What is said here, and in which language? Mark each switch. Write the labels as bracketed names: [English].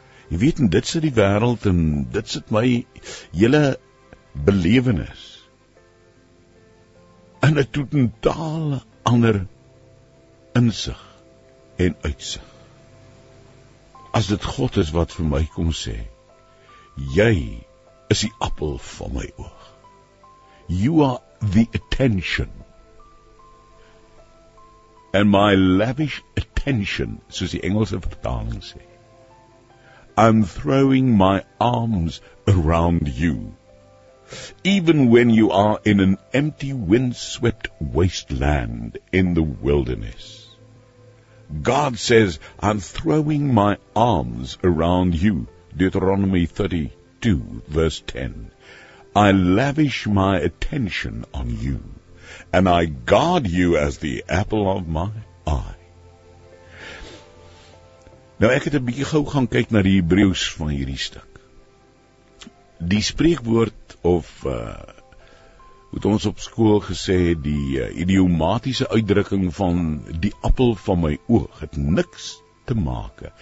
[Afrikaans] Jy weet, en dit sit die wêreld, en dit sit my hele belewenis in 'n totaal ander insig en uitsig. As dit God is wat vir my kom sê, jy is die appel van my oog. [English] You are the attention, and my lavish attention, [Afrikaans] soos die Engelse vertaling sê, [English] I'm throwing my arms around you, even when you are in an empty wind-swept wasteland in the wilderness. God says, I'm throwing my arms around you, Deuteronomy 32 verse 10. I lavish my attention on you, and I guard you as the apple of my eye. [Afrikaans] Nou, ek het 'n bietjie gou gaan kyk na die Hebreëus van hierdie stuk. die spreekwoord of wat ons op school gesê het, die idiomatiese uitdrukking van die appel van my oog het niks te maak.